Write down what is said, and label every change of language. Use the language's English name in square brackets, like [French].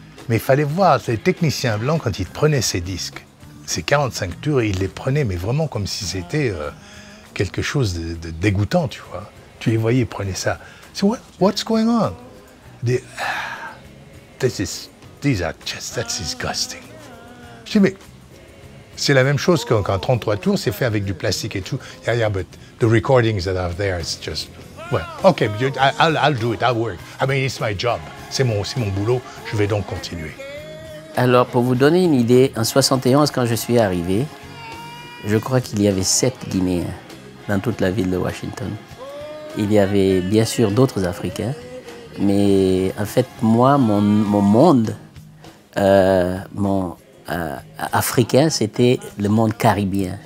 [French] Mais il fallait voir, les techniciens blancs, quand ils prenaient ces disques, ces 45 tours, ils les prenaient, mais vraiment comme si c'était quelque chose de dégoûtant, tu vois. Tu les voyais, ils prenaient ça. [English] So what's going on? That's disgusting. [French] Je dis, mais c'est la même chose qu'un 33 tours, c'est fait avec du plastique et tout. [English] Yeah, yeah, but the recordings that are there, it's just, well, okay, I'll do it, I'll work. I mean, it's my job. [French] C'est mon boulot, je vais donc continuer. Alors, pour vous donner une idée, en 71, quand je suis arrivé, je crois qu'il y avait 7 Guinéens dans toute la ville de Washington. Il y avait bien sûr d'autres Africains. Mais en fait, moi, mon monde africain, c'était le monde caribéen.